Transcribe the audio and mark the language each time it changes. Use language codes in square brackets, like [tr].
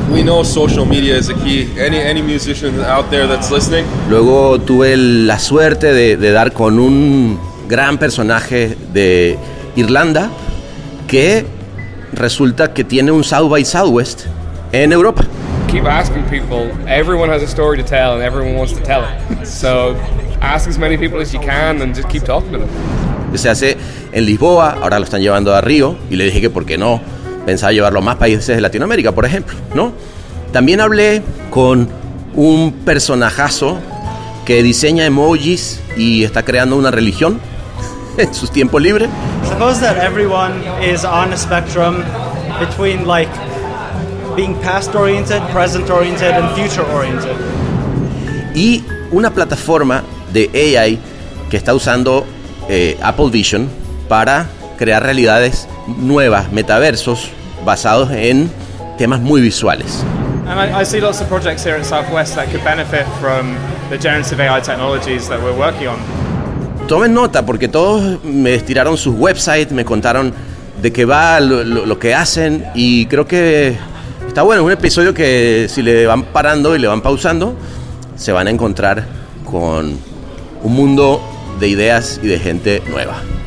[en] We know social media is a key. Any musician out there that's listening. [es] Luego tuve la suerte de dar con un gran personaje de Irlanda que resulta que tiene un South by Southwest en Europa. [en] Keep asking people. Everyone has a story to tell and everyone wants to tell it. So ask as many people as you can and just keep talking to them. [es] Se hace en Lisboa, ahora lo están llevando a Río y le dije que por qué no pensaba llevarlo a más países de Latinoamérica, por ejemplo, ¿no? También hablé con un personajazo que diseña emojis y está creando una religión en sus tiempos libres. [en] Suppose that everyone is on a spectrum between like being past oriented, present oriented and future oriented. [es] Y una plataforma de AI que está usando Apple Vision para crear realidades nuevas, metaversos basados en temas muy visuales. [en] And I see lots of projects here at Southwest that could benefit from the generative AI technologies that we're working on. [es] Tomen nota, porque todos me estiraron sus websites, me contaron de qué va, lo que hacen, y creo que está bueno. Es un episodio que si le van parando y le van pausando, se van a encontrar con un mundo de ideas y de gente nueva.